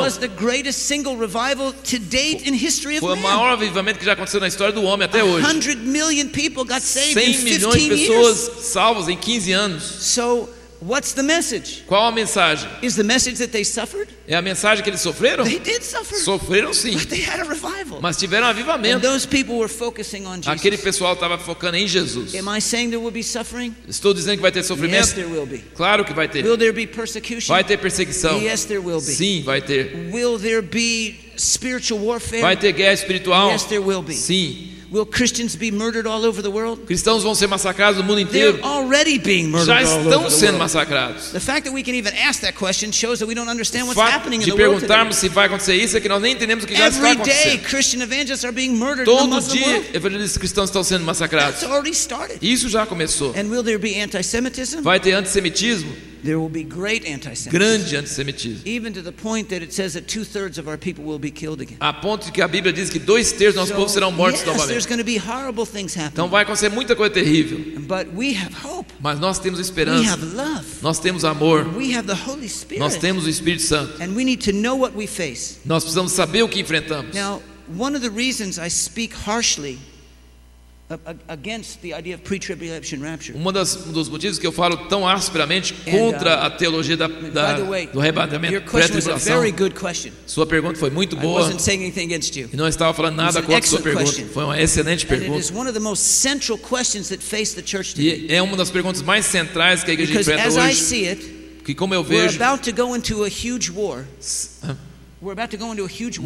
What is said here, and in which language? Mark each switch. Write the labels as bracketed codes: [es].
[en] was the greatest single revival to date in history of man. [pt] Foi o maior avivamento que já aconteceu na história do homem até hoje. [en] 100 million people got saved in 15 years. [pt] 100 milhões de pessoas salvas em 15 anos. [en] So what's the message? [pt] Qual a mensagem? [en] Is the message that they suffered? [pt] É a mensagem que eles sofreram? [en] They did suffer. [pt] Sofreram sim. [en] But they had a revival. [pt] Mas tiveram um avivamento. [en] And those people were focusing on Jesus. [pt] Aquele pessoal estava focando em Jesus. [en] Am I saying there will be suffering? [pt] Estou dizendo que vai ter sofrimento? [en] Yes, there will be. [pt] Claro que vai ter. [en] Will there be persecution? [pt] Vai ter perseguição. [en] Yes, there will be. [pt] Sim, vai ter. [en] Will there be spiritual warfare? [pt] Vai ter guerra espiritual? [en] Yes, there will be. [pt] Sim. [en] Will Christians be murdered all over the world? [pt] Cristãos vão ser massacrados no mundo inteiro. [en] They're already being murdered all over the world. [pt] Já estão sendo massacrados. [en] The fact that we can even ask that question shows that we don't understand what's happening in the world today. [pt] De perguntarmos se vai acontecer isso é que nós nem entendemos o que já está acontecendo. [en] Every day Christian evangelists are being murdered all over the world. [pt] Todo dia evangelistas cristãos estão sendo massacrados. [en] It's already started. [pt] Isso já começou. [en] And will there be anti-Semitism? [pt] Vai ter antissemitismo? [en] There will be great anti-Semitism. [pt] Grande antissemitismo. [en] Even to the point that it says that 2/3 of our people will be killed again. [pt] A ponto que a Bíblia diz que 2/3 do nosso povo serão mortos novamente. [en] Yes, there's going to be horrible things happening. [pt] Então vai acontecer muita coisa terrível. [en] But we have hope. [pt] Mas nós temos esperança. [en] We have love. [pt] Nós temos amor. [en] We have the Holy Spirit. [pt] Nós temos o Espírito Santo. [en] And we need to know what we face. [pt] Nós precisamos saber o que enfrentamos. [en] Now, one of the reasons I speak harshly against the idea of pre-tribulation rapture. [pt] Um dos motivos que eu falo tão asperamente contra a teologia do arrebatamento pré-tribulação. Sua pergunta foi muito boa. [en] I wasn't saying anything against you. [pt] E não estava falando nada contra sua pergunta. Foi uma excelente pergunta. [en] It is one of the most central questions that face the church today. [pt] E é uma das perguntas mais centrais que a igreja enfrenta hoje. [en] Because as I see it, [pt] que como eu vejo, [en] we're about to go into a huge war. We're about to go into a huge war.